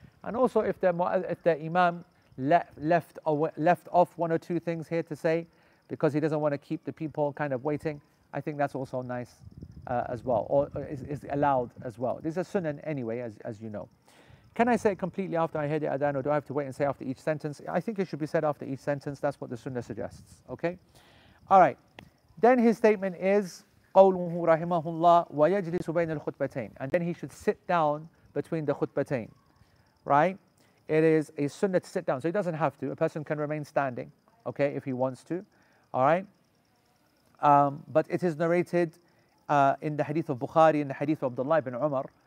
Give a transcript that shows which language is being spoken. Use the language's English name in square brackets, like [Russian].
[English] And also, if the imam left off one or two things here to say, because he doesn't want to keep the people kind of waiting, I think that's also nice as well, or is allowed as well. This is a sunnah anyway, as you know. Can I say it completely after I hear the adhan, or do I have to wait and say after each sentence? I think it should be said after each sentence. That's what the sunnah suggests. Okay. All right. Then his statement is, [Arabic] قَوْلُهُ رَحِمَهُ اللَّهُ وَيَجْلِسُ بَيْنَ الْخُطْبَتَيْنِ. [English] And then he should sit down between the khutbatain. Right? It is a sunnah to sit down. So he doesn't have to. A person can remain standing, okay, if he wants to. All right? But it is narrated in the hadith of Bukhari, in the hadith of Abdullah ibn Umar.